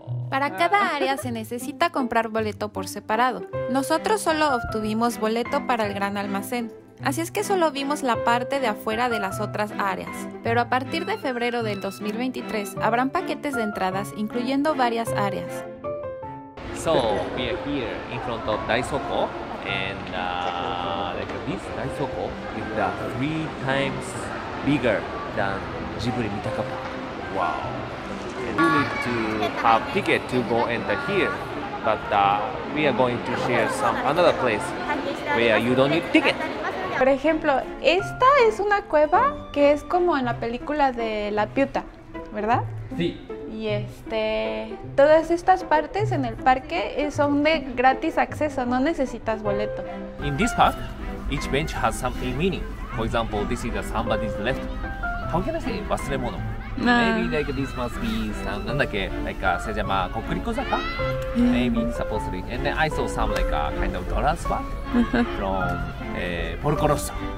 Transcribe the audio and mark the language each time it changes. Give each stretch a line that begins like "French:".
Spanish: Para cada área se necesita comprar boleto por separado. Nosotros solo obtuvimos boleto para el gran almacén, así es que solo vimos la parte de afuera de las otras áreas. Pero a partir de febrero del 2023 habrán paquetes de entradas incluyendo varias áreas.
English: So we are here in front of Daisoko and like this Daisoko is the 3 times bigger than Ghibli Mitaka Park. Wow. And you need to have ticket to go enter here, but we are going to share some another place where you don't need ticket.
Spanish: Por ejemplo, esta es una cueva que es como en la película de La Piuta, ¿verdad? Sí. Y todas estas partes en el parque son de gratis acceso, no necesitas boleto.
English: In this park, each bench has some meaning. For example, this is somebody's left. How can I say?
Japanese: Wasuremono.
English: Maybe like this must be some,
Japanese: nandake,
English: like Sejama Kokuriko-zaka? Maybe, supposedly. And then I saw some like kind of dollar spot from Porco Rosso.